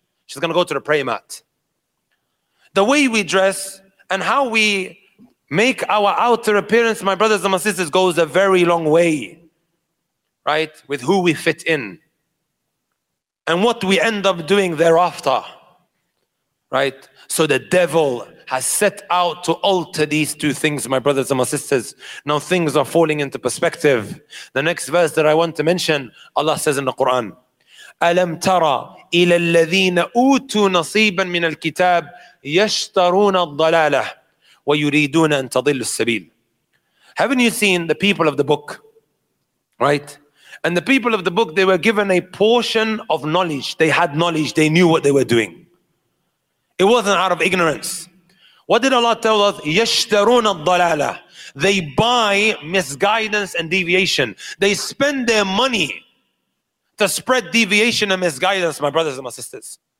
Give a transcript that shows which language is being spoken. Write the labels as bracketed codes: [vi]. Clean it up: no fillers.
[en] She's going to go to the prayer mat. The way we dress and how we make our outer appearance, my brothers and my sisters, goes a very long way, right? With who we fit in and what we end up doing thereafter, right? So the devil has set out to alter these two things, my brothers and my sisters. Now things are falling into perspective. The next verse that I want to mention, Allah says in the Quran, [ar] أَلَمْ تَرَى إِلَى الَّذِينَ أُوتُوا نَصِيبًا مِنَ الْكِتَابِ يَشْتَرُونَ الضَّلَالَةِ وَيُرِيدُونَ أَن تَضِلُّ السَّبِيلِ. [en] Haven't you seen the people of the book? Right? And the people of the book, they were given a portion of knowledge. They had knowledge. They knew what they were doing. It wasn't out of ignorance. What did Allah tell us? [ar] يَشْتَرُونَ الضَّلَالَةِ. [en] They buy misguidance and deviation. They spend their money to spread deviation and misguidance, my brothers and my sisters.